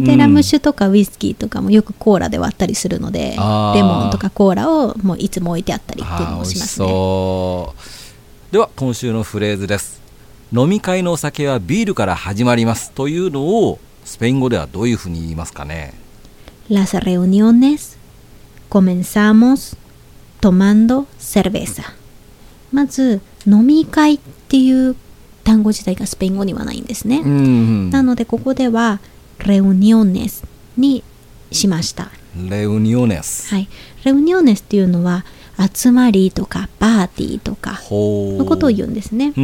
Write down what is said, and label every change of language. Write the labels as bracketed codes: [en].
[ja] で、うん、ラム酒とかウイスキーとかもよくコーラで割ったりするので、あ、レモンとかコーラをもういつも置いてあったりっていうのもしますね。美味しそう。では今週のフレーズです。飲み会のお酒はビールから始まりますというのをスペイン語ではどういうふうに言いますかね。 [es] Las reuniones comenzamos tomando cerveza。 [ja] まず飲み会っていう単語自体がスペイン語にはないんですね、うんうん、なのでここでは reuniones にしました。 [es] reuniones、 [ja] はい、reuniones っていうのは集まりとかパーティーとかのことを言うんですね、